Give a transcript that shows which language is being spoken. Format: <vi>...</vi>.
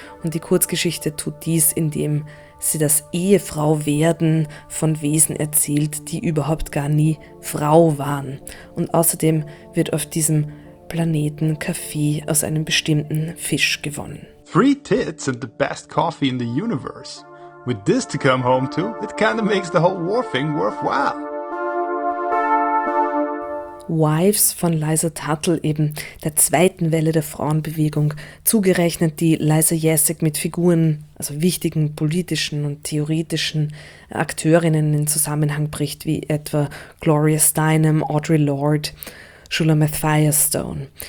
<de>Und die Kurzgeschichte tut dies, indem sie das Ehefrauwerden von Wesen erzählt, die überhaupt gar nie Frau waren. Und außerdem wird auf diesem Planeten Kaffee aus einem bestimmten Fisch gewonnen.</de> <en>Free tits and the best coffee in the universe. With this to come home to, it kind of makes the whole war thing worthwhile.</en> <de>Wives von Liza Tuttle, eben der zweiten Welle der Frauenbewegung, zugerechnet, die Liza Jacek mit Figuren, also wichtigen politischen und theoretischen Akteurinnen in Zusammenhang bricht, wie etwa Gloria Steinem, Audre Lorde, Shulamith Firestone.</de>